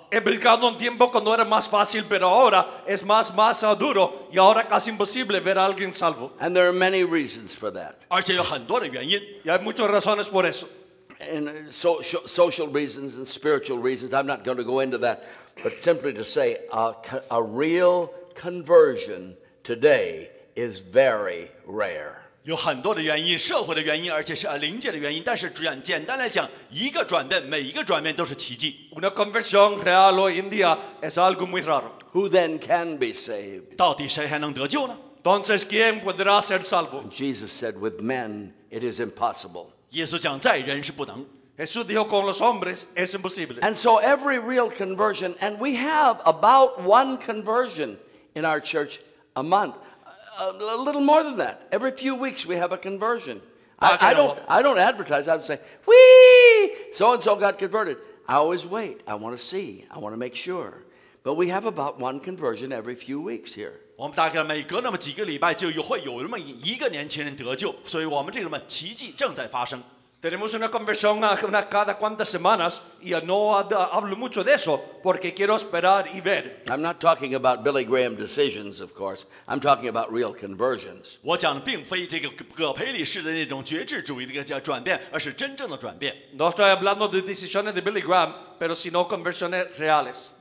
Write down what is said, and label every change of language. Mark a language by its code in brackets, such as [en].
[es] He buscado un tiempo cuando era más fácil, pero ahora es más duro y ahora casi imposible ver a alguien salvo. [en] And there are many reasons for that. [zh] 而且有很多的原因。 [es] Y hay muchas razones por eso. [en] and social reasons and spiritual reasons. I'm not going to go into that, but simply to say a real conversion today is very rare. [zh] 有很多的原因，社会的原因，而且是灵界的原因。但是简单来讲，一个转变，每一个转变都是奇迹。 [es] Una conversión real hoy en día es algo muy raro. [en] Who then can be saved? [zh] 到底谁还能得救呢？ [es] Entonces, ¿quién podrá ser salvo? [en] Jesus said, with men, it is impossible. [zh] 耶稣讲，在人是不能。 [es] Jesús dijo, con los hombres, es imposible. [en] And so every real conversion, and we have about one conversion in our church a month. A little more than that. Every few weeks, we have a conversion. I don't advertise. I would say, whee, so-and-so got converted. I always wait. I want to see. I want to make sure. But we have about one conversion every few weeks here. [zh] 我们大概每隔那么几个礼拜就会有那么一个年轻人得救，所以我们这个奇迹正在发生。 [es] Tenemos una conversión cada cuantas semanas y no hablo mucho de eso porque quiero esperar y ver. [en] I'm not talking about Billy Graham decisions, of course. I'm talking about real conversions. [zh] 我讲的并非这个葛培里式的那种觉知主义的叫转变，而是真正的转变。 [es] No estoy hablando de decisiones de Billy Graham, pero sino conversiones reales.